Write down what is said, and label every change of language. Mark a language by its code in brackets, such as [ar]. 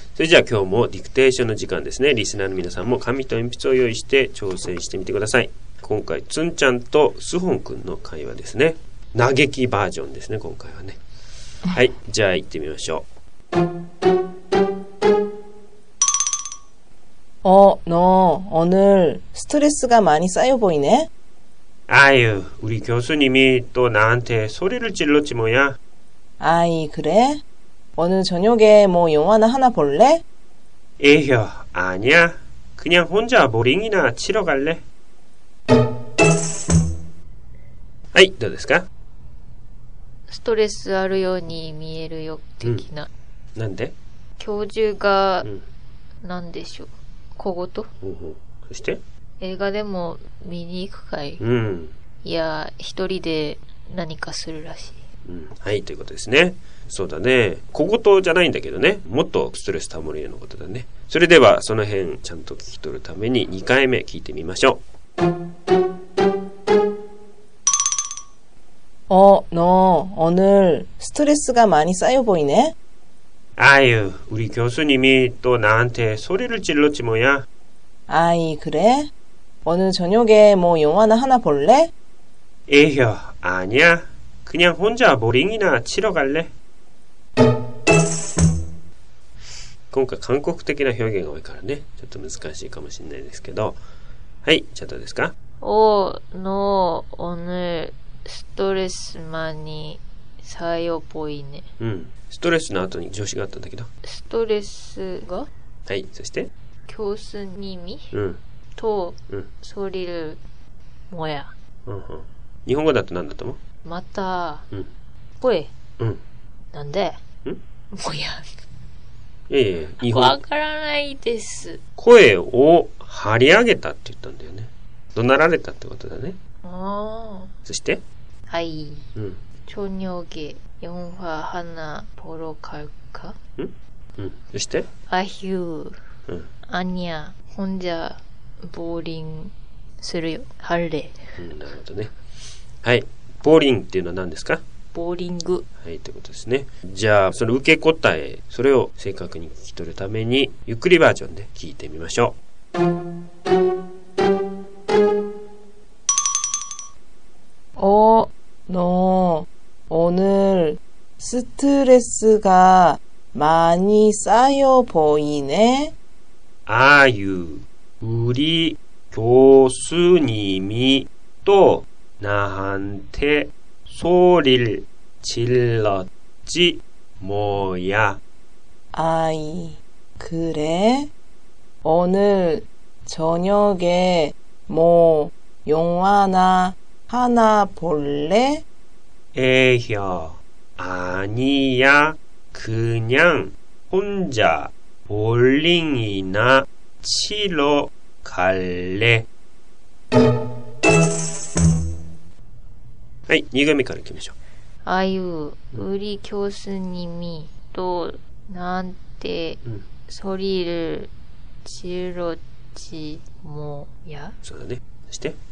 [ja] それじゃあ今日もディクテーションの時間ですね。リスナーの皆さんも紙と鉛筆を用意して挑戦してみてください。今回ツンちゃんとスホン君の会話ですね。嘆きバージョンですね、今回はね。はい、じゃあ行ってみましょう。 [ko] 어너오늘스트레스가많이쌓여보이네 아유우리교수님이또나한테소리를질렀지뭐야 아이그래오늘저녁에뭐영화나하나볼래 에휴아니야그냥혼자보링이나치러갈래 [ja] はい、どうですか。 스트레스あるように見えるよ的な、うん、なんで教授が、うん、なんでしょう小言、うんうん、そして映画でも見に行くかい、うん、いや一人で何かするらしい、うん、はい、ということですね。そうだね、小言じゃないんだけどね、もっとストレスたまるようなことだね。それではその辺ちゃんと聞き取るために2回目聞いてみましょう。 [ko] 어너오늘스트레스가많이쌓여보이네 아유우리교수님이또나한테소리를질렀지뭐야 아이그래오늘저녁에뭐영화나하나볼래 에휴아니야그냥혼자보링이나치러갈래 [ja] 今回韓国的な表現が多いからね、ちょっと難しいかもしれないですけど。はい、じゃあどうですか。 [ko] 오너오늘스트레스많이쌓여보이네。 [ja] うん、ストレスの後に助詞があったんだけど、ストレスが、はい、そして教師にみ、うん、と、うん、ソリルもや、うんうん、日本語だと何だと思う。また、うん、ぽい、うん、なんで、うん、もや、いや日本、わからないです。声を張り上げたって言ったんだよね、怒鳴られたってことだね。あ、そしてはい、うん、 [ko] ちょにょげ영화하나보러갈까 응응이때 아휴 응 아니야혼자보링 [ja] するよ [ko] 할래 [ja] 응なるほどね。はい、ボーリングっていうのは何ですか。ボーリング、はい、ということですね。じゃあその受け答え、それを正確に聞き取るためにゆっくりバージョンで聞いてみましょう。 [ko] 어너오늘스트레스가많이쌓여보이네 아유우리교수님이또나한테소리를질렀지뭐야 아이그래오늘저녁에뭐영화나 하나 볼래? 에혀 아니야 그냥 혼자 볼링이나 치러 갈래. [ja] はい、2回目から行きましょう。あゆ、うり教室にみとなんてそりるちろちもや。そうだね。そして。